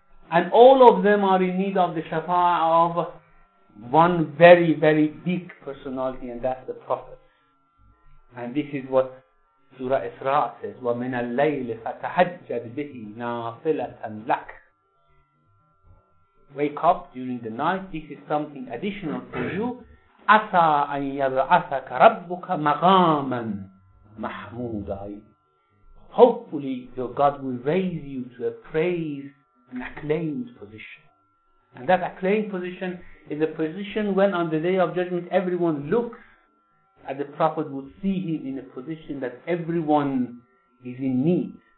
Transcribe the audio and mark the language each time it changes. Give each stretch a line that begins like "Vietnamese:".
English: And all of them are in need of the shafa'ah of one very, very big personality, and that's the Prophet. And this is what Surah Isra says,
Arabic: وَمِنَ اللَّيْلِ فَتَحَجَّدْ بِهِ نَافِلَةً لَكَ.
English: Wake up during the night, this is something additional for you.
Arabic: أَسَىٰ أَن يَبْعَثَكَ رَبُّكَ مَغَامًا مَحْمُودًا.
English: Hopefully your God will raise you to a praise and acclaimed position. And that acclaimed position is a position when on the Day of Judgment everyone looks and the Prophet would see him in a position that everyone is in need.